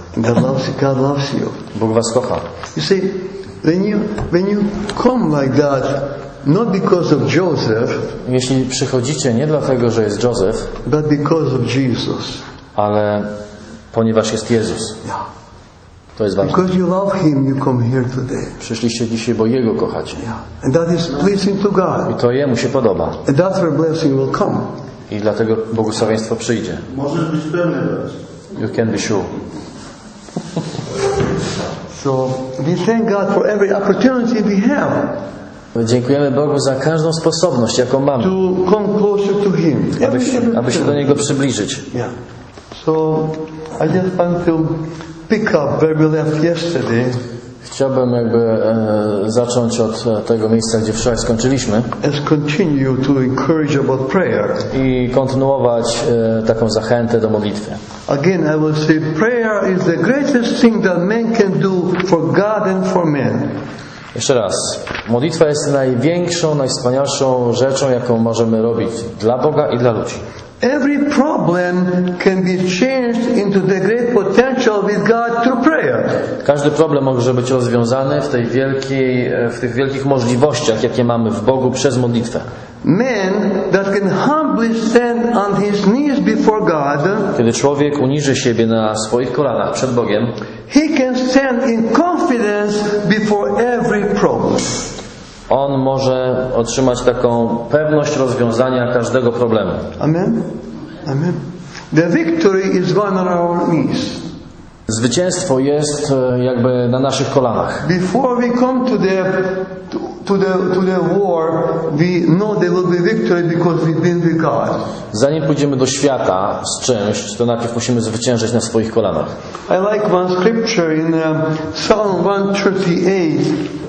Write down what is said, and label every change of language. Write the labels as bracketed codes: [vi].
[en] God loves you, God loves you. [pl] Bóg was kocha. [en] You see, when you come like that, not because of Joseph. [pl] Jeśli przychodzicie nie dlatego, że jest Joseph, [en] but because of Jesus. [pl] Ale ponieważ jest Jezus. [en] Yeah. [pl] To jest ważne. [en] Because you love him, you come here today. [pl] Przyszliście dzisiaj, bo Jego kochacie. [en] Yeah. And that is pleasing to God. [pl] I to Jemu się podoba. [en] And that's where blessing will come. [pl] I dlatego błogosławieństwo przyjdzie. Możesz być pewny. [en] You can be sure. So we thank God for every opportunity we have. [pl] Dziękujemy Bogu za każdą sposobność, jaką mamy, [en] to come closer to him, [pl] aby się do Niego przybliżyć. [en] Yeah. So I just want to pick up where we left yesterday. [pl] Chciałbym jakby zacząć od tego miejsca, gdzie wczoraj skończyliśmy. [en] And continue to encourage about prayer. [pl] I kontynuować taką zachętę do modlitwy. [en] Again, I will say, prayer is the greatest thing that man can do for God and for man. [pl] Jeszcze raz. Modlitwa jest największą, najwspanialszą rzeczą, jaką możemy robić dla Boga i dla ludzi. [en] Every problem can be changed into the great potential with God through prayer. [pl] Każdy problem może być rozwiązany w tych wielkich możliwościach, jakie mamy w Bogu przez modlitwę. [en] Man that can humbly stand on his knees before God. [pl] Kiedy człowiek uniży siebie na swoich kolanach przed Bogiem, [en] he can stand in confidence before every problem. [pl] On może otrzymać taką pewność rozwiązania każdego problemu. [en] Amen. Amen. The victory is on our knees. [pl] Zwycięstwo jest jakby na naszych kolanach. [en] Before we come to the war, we know there will be victory because we've been with God. [pl] Zanim pójdziemy do świata z czymś, to najpierw musimy zwyciężyć na swoich kolanach. [en] I like one scripture in Psalm 138.